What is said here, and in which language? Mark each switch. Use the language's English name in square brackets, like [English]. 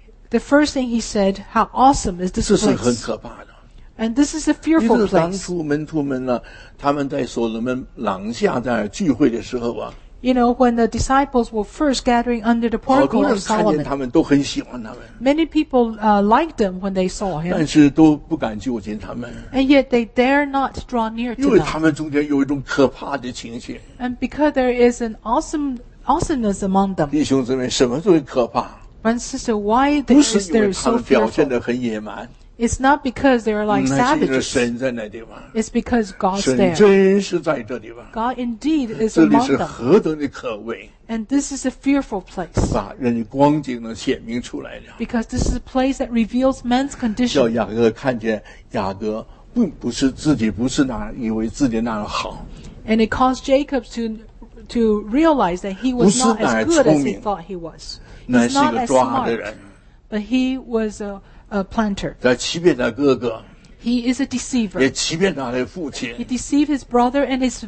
[English] The first thing he said, how awesome is this place? [Chinese] 这是很可怕的。 [English] And this is a fearful place. [Chinese] 当初门徒们呢，他们在所罗门廊下在聚会的时候啊。 [English] You know, when the disciples were first gathering under the portico of Solomon, many people liked them when they saw him. [Chinese] 但是都不敢就近他们。 [English] And yet they dare not draw near to them. [Chinese] 因为他们中间有一种可怕的情形。 [English] And because there is an awesomeness among them. [Chinese] 弟兄姊妹，什么最可怕？ [English] But sister, why is there so fearful? [Chinese] 不是因为他们表现得很野蛮。 [English] It's not because they're like savages. [Chinese] 那是神在那地方。 [English] It's because God's there. [Chinese] 神真是在这地方。 [English] God indeed is among them. [Chinese] 这里是何等的可畏。 [English] And this is a fearful place. [Chinese] 把人的光景能显明出来了。 [English] Because this is a place that reveals man's condition. [Chinese] 叫雅各看见雅各不是自己不是那以为自己那样好。 [English] And it caused Jacob to realize that he was not as good as he thought he was. [Chinese] 那是一个抓的人。 [English] But he was a planter. [Chinese] 在欺骗他哥哥。 [English] He is a deceiver. [Chinese] 也欺骗他的父亲。 [English] He deceived his brother and his father.